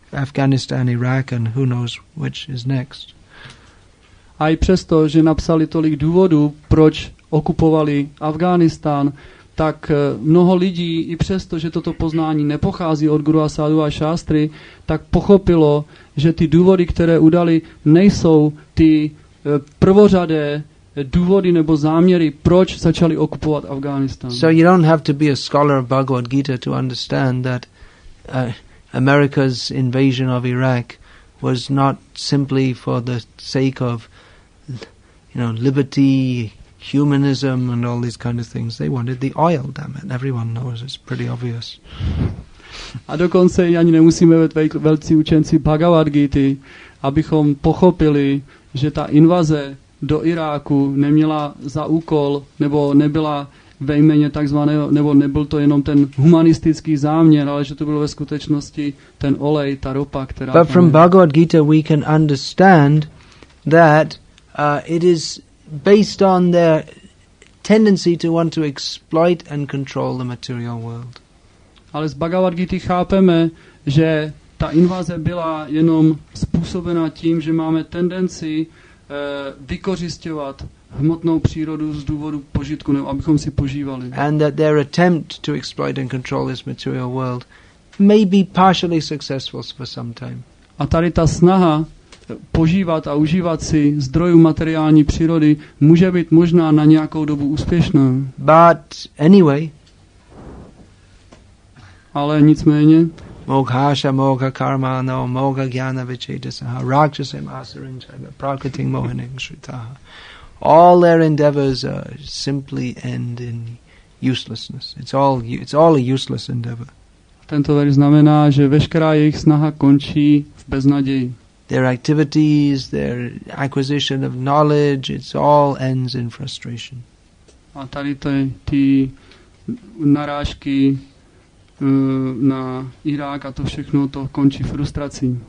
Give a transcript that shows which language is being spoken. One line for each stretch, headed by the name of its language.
English: Afghanistan, Iraq, and who knows which is next.
Czech: A i přesto, že napsali tolik důvodů, proč okupovali Afghánistán, tak mnoho lidí, i přesto, že toto poznání nepochází od Guru a Sadhu a Shastry, tak pochopilo, že ty důvody, které udali, nejsou ty prvořadé důvody nebo záměry, proč začali okupovat Afghánistán.
English: So you don't have to be a scholar of Bhagavad Gita to understand that America's invasion of Iraq was not simply for the sake of, you know, liberty, humanism and all these kind of things. They wanted the oil, damn it. Everyone knows, it's pretty obvious.
Czech: A dokonce ani nemusíme být velcí učenci Bhagavad Gita, abychom pochopili, že ta invaze do Iráku neměla za úkol nebo nebyla ve jméně takzvaného, nebo nebyl to jenom ten humanistický záměr, ale že to bylo ve skutečnosti ten olej, ta ropa, která...
English: But from Bhagavad Gita we can understand that it is based on their tendency to want to exploit and control the material world.
Czech: Ale z Bhagavad Gita chápeme, že ta invaze byla jenom způsobena tím, že máme tendenci vykořisťovat hmotnou přírodu z důvodu požitku, nebo abychom si požívali.
English: And that their attempt to exploit and control this material world may be partially successful for some time.
Czech: A tady ta snaha požívat a užívat si zdrojů materiální přírody může být možná na nějakou dobu úspěšná.
English: But anyway,
Czech: ale nicméně,
Sanskrit: mokhasha, mokha karmano, mokha jnana vichetasaha, rakshasem asarinchaiva, prakriting mohaning shritaha.
English: All their endeavors simply end in uselessness. It's all a useless endeavor.
Czech: Tento verš znamená, že veškerá jejich snaha končí v beznaději.
English: Their activities, their acquisition of knowledge, it's all ends in frustration.
Czech: A tady ty narážky na Irák a to všechno, to končí frustrací.